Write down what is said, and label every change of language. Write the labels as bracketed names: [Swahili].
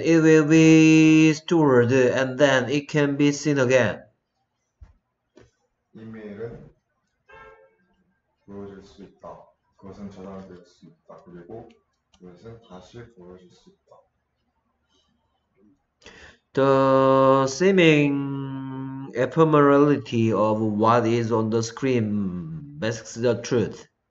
[English] It will be stored and then it can be seen again. [Korean] 이메일은 보여질 수 있다. 그것은 저장될 수 있다. 그리고 그것은 다시 보여질 수 있다. [English] The seeming ephemerality of what is on the screen masks the truth.